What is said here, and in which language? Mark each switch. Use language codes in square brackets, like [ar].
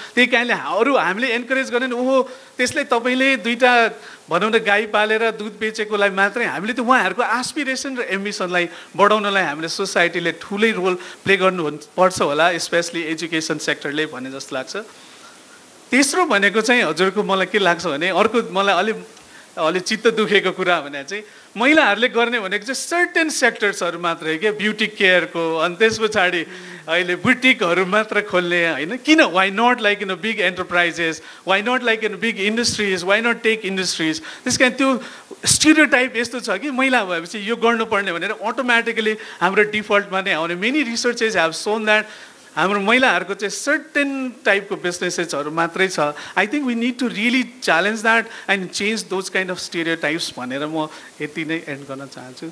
[ne] त्यही कारणले अरू हामीले एन्करेज गर्ने ओहो त्यसले तपाईँले दुईवटा भनौँ न गाई पालेर दुध बेचेकोलाई मात्रै हामीले त उहाँहरूको आस्पिरेसन र एम्बिसनलाई बढाउनलाई हामीले सोसाइटीले ठुलै रोल प्ले गर्नु पर्छ होला स्पेसली एजुकेसन सेक्टरले भन्ने जस्तो लाग्छ. तेस्रो भनेको चाहिँ हजुरको मलाई के लाग्छ भने अर्को मलाई अलिक चित्त दुखेको कुरा भने चाहिँ महिलाहरूले गर्ने भनेको चाहिँ सर्टेन सेक्टर्सहरू मात्रै क्या, ब्युटी केयरको अनि त्यस पछाडि अहिले बुटिकहरू मात्र खोल्ने होइन. किन [en] Why not like in a big enterprises, why not like in big industries, why not tech industries. [ne] त्यस कारण त्यो स्टिरियोटाइप यस्तो छ कि महिला भएपछि यो गर्नुपर्ने भनेर अटोमेटिकली हाम्रो डिफल्टमा नै आउने. [en] many researches have shown that [ne] हाम्रो महिलाहरूको चाहिँ सर्टेन टाइपको बिजनेसेसहरू मात्रै छ. [en] I think we need to really challenge that and change those kind of stereotypes [ne] भनेर म यति नै एन्ड गर्न चाहन्छु.